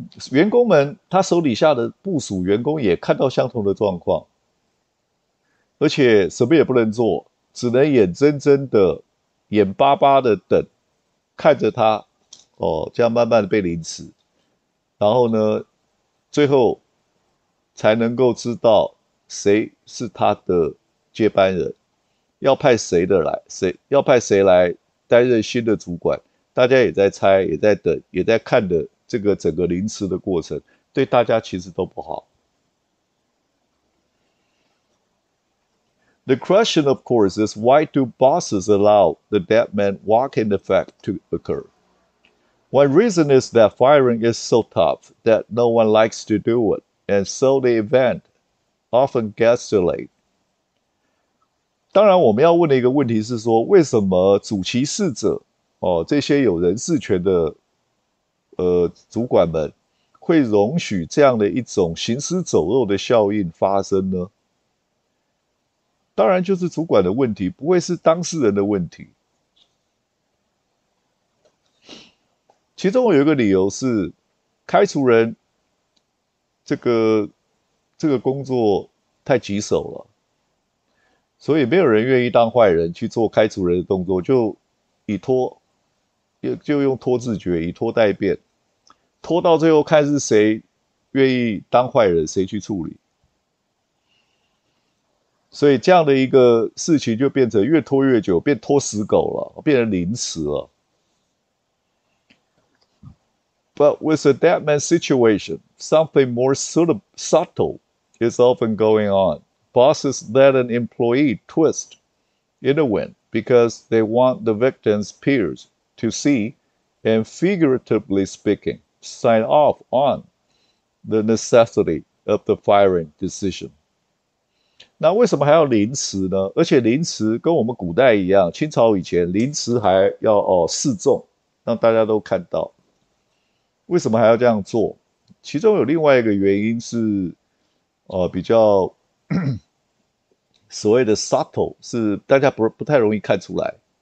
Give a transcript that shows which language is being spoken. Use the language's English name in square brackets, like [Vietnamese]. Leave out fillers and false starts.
[Chinese] 员工们，他手底下的部署员工也看到相同的状况，而且什么也不能做，只能眼睁睁的、眼巴巴的等，看着他，哦，这样慢慢的被凌迟，然后呢，最后才能够知道谁是他的接班人，要派谁的来，谁要派谁来担任新的主管，大家也在猜，也在等，也在看的。这个整个凌迟的过程，对大家其实都不好。 [English] The question, of course, is why do bosses allow the dead man walking effect to occur? One reason is that firing is so tough that no one likes to do it, and so the event often gets delayed. [Chinese] 当然，我们要问的一个问题是说，为什么主其事者，哦，这些有人事权的主管们会容许这样的一种行尸走肉的效应发生呢？当然就是主管的问题，不会是当事人的问题。其中我有一个理由是，开除人这个工作太棘手了，所以没有人愿意当坏人去做开除人的动作，就用拖字诀，以拖代变。拖到最后看是谁愿意当坏人，谁去处理。所以这样的一个事情就变成越拖越久，变拖死狗了，变成凌迟了。 [English] But with a dead man situation, something more subtle is often going on. Bosses let an employee twist in the wind because they want the victim's peers to see, and figuratively speaking,sign off on the necessity of the firing decision. [Chinese] 那为什么还要凌迟呢？而且凌迟跟我们古代一样，清朝以前凌迟还要示众，让大家都看到。为什么还要这样做？其中有另外一个原因是，比较所谓的 subtle， 是大家不太容易看出来。